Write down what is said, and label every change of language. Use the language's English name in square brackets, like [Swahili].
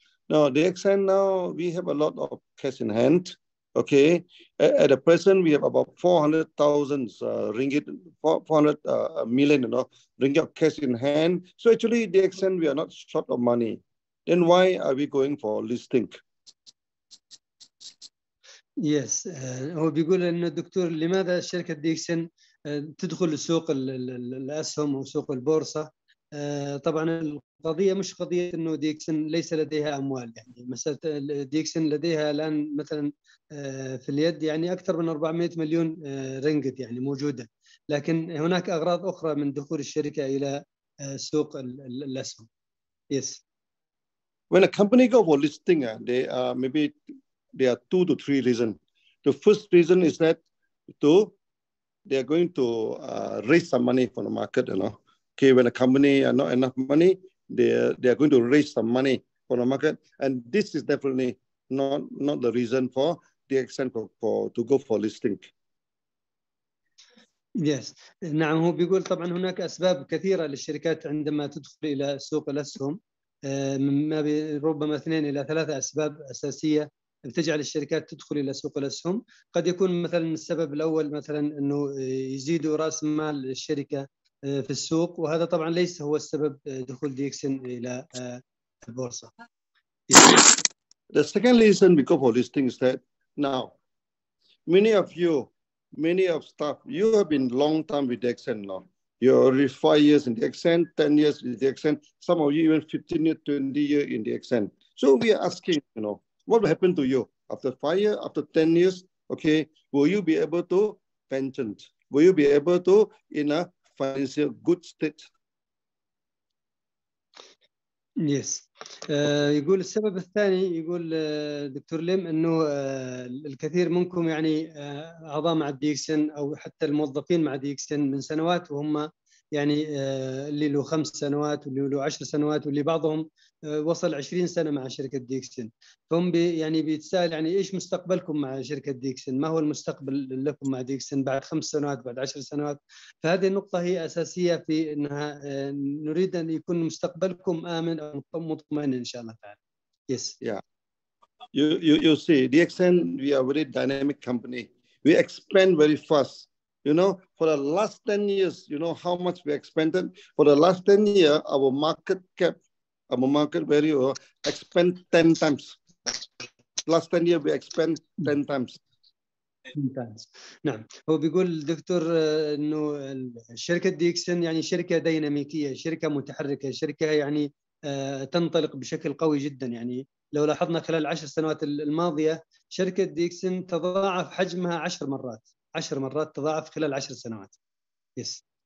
[English] No, DXN now, we have a lot of cash in hand, okay? At the present, we have about 400,000 ringgit, 400 million, you know, ringgit of cash in hand. So actually, DXN, we are not short of money. Then why are we going for listing? Yes, [Arabic] هو بيقول أن الدكتور لماذا شركة DXN تدخل سوق الأسهم وسوق البورصة؟ طبعاً القضية مش قضية إنه DXN ليس لديها أموال يعني مثلاً DXN لديها الآن مثلاً في اليد يعني أكثر من 400 مليون رينجت يعني موجودة لكن هناك أغراض أخرى من دخول الشركة إلى سوق الأسهم. [English] Yes. When a company go for listing, they are maybe there are 2 to 3 reasons. The first reason is that they are going to raise some money from the market, you know. Okay, when a company are not enough money, they are going to raise some money for the market, and this is definitely not the reason for the extent for to go for listing. Yes, [Arabic] نعم هو بيقول طبعا هناك أسباب كثيرة للشركات عندما تدخل إلى سوق الأسهم ما ربما 2 إلى 3 أسباب أساسية بتجعل الشركات تدخل إلى سوق الأسهم قد يكون مثلا السبب الأول مثلا إنه يزيد رأس مال الشركة في السوق وهذا طبعا ليس هو السبب دخول DXN الى البورصه. [English] The second reason we go for listing is that now many of staff you have been long time with DXN now. you're 5 years in the accent, 10 years in the accent, some of you even 15 years, 20 years in the accent. So we are asking, you know, what will happen to you after 5 years, after 10 years, okay, will you be able to pension? Will you be able to in a financial good state? Yes. [Arabic] يقول السبب الثاني يقول دكتور ليم أنه الكثير منكم يعني أعضاء مع ديكسن أو حتى الموظفين مع ديكسن من سنوات وهم يعني اللي له 5 سنوات واللي له 10 سنوات واللي بعضهم وصل 20 سنة مع شركة ديكسن. فهم يعني بيتسأل يعني إيش مستقبلكم مع شركة ديكسن؟ ما هو المستقبل لكم مع ديكسن بعد 5 سنوات بعد 10 سنوات؟ فهذه النقطة هي أساسية في أنها نريد أن يكون مستقبلكم آمن أو مطمئن إن شاء الله تعالى. [English] Yes. Yeah. You see, DXN, we are very dynamic company. We expand very fast. You know, for the last 10 years, you know how much we expanded? For the last 10 years, our market cap, our market value expand 10 times. Last 10 years, we expand 10 times. [Arabic] نعم هو بيقول الدكتور انه شركه ديكسن يعني شركه ديناميكيه شركه متحركه شركه يعني تنطلق بشكل قوي جدا يعني لو لاحظنا خلال 10 سنوات الماضيه شركه ديكسن تضاعف حجمها 10 مرات تضاعف خلال 10 سنوات [English] yes.